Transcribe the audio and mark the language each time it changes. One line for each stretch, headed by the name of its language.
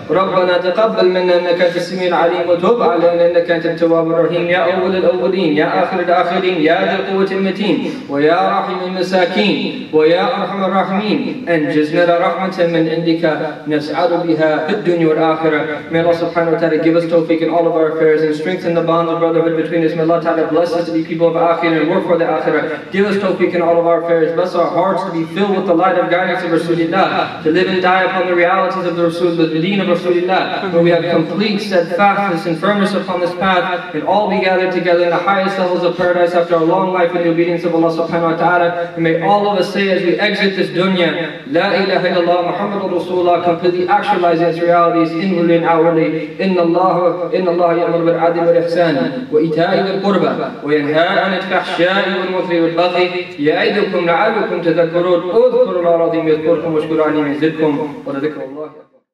Arabic: ربنا تقبل منا انك انت السميع العليم وتوب علينا انك انت التواب الرحيم يا اول الاولين يا اخر الاخرين يا ذا القوة المتين ويا رحم المساكين ويا ارحم الراحمين انجزنا رحمة من عندك نسعد بها في الدنيا والاخرة
English: May Allah subhanahu wa ta'ala give us tawfiq in all of our affairs and strengthen the bond of brotherhood between us. May Allah ta'ala bless us to be people of akhirah and work for the akhirah. Give us tawfiq in all of our affairs. Bless our hearts to be filled with the light of guidance of Rasulullah, to live and die upon the realities of the Rasul, the deen of Rasulullah, where we have complete steadfastness and firmness upon this path, and all be gathered together in the highest levels of paradise after a long life in the obedience of Allah subhanahu wa ta'ala. And may all of us say as we exit this dunya, La ilaha illallah Muhammadur Rasulullah, completely actualizing its realities inwardly and outwardly.
Arabic: إن الله يأمر بالعدل والإحسان وإيتاء ذي القربى وينهى عن الفحشاء والمنكر والبغي يعظكم لعلكم تذكرون اذكروا الله العظيم يذكركم واشكروا عليه يزدكم ولذكر الله